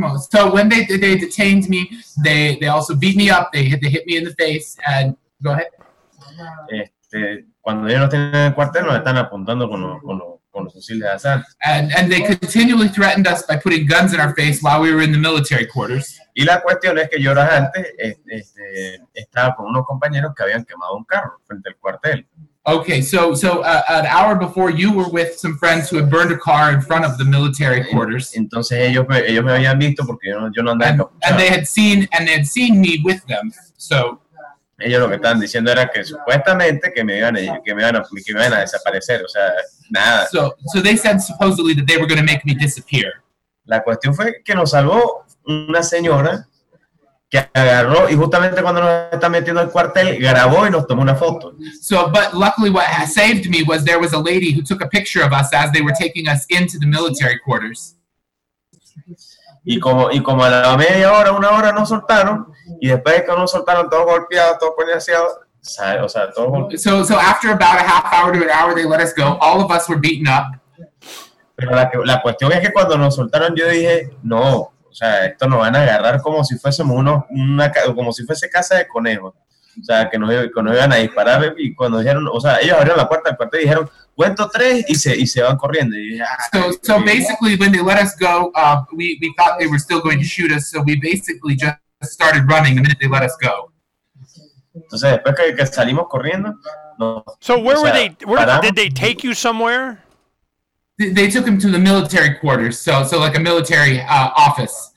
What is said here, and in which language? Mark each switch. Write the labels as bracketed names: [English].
[English] So when they detained me, they also beat me up, they hit me in the face, and go ahead. [Spanish] Cuando ellos no tienen el cuartel, nos están apuntando con los fusiles de asalto. [English] And they continually threatened us by putting guns in our face while we were in the military quarters. [Spanish] Y la cuestión es que yo horas antes estaba con unos compañeros que habían quemado un carro frente al cuartel. [English] Okay, so an hour before you were with some friends who had burned a car in front of the military quarters. [Spanish] Entonces ellos me habían visto porque yo no andaba en capuchado. [English] And they had seen me with them. So [Spanish] ellos lo que estaban diciendo era que supuestamente que me iban a desaparecer, o sea, nada. [English] So they said supposedly that they were going to make me disappear. [Spanish] La cuestión fue que nos salvó una señora que agarró y justamente cuando nos está metiendo al cuartel grabó y nos tomó una foto. [English] So, but luckily what saved me was there was a lady who took a picture of us as they were taking us into the military quarters. [Spanish] Y como a la media hora, una hora nos soltaron y después de que nos soltaron todos golpeados, todos poniéndose, o sea, todos. [English] So after about a half hour to an hour they let us go. All of us were beaten up. [Spanish] Pero la cuestión es que cuando nos soltaron yo dije, no. O sea, esto nos van a agarrar como si fuésemos como si fuese casa de conejos. O sea, que nos iban a disparar. Y cuando dijeron, o sea, ellos abrieron la puerta del cuartel y dijeron, cuento tres y se van corriendo. Y, [English] so basically, when they let us go, we thought they were still going to shoot us. So we basically just started running the minute they let us go. [Spanish] Entonces, después que salimos corriendo, nos, [English] so where, [Spanish] o sea, [English] were they? Where paramos. Did they take you somewhere? They took him to the military quarters, so like a military office.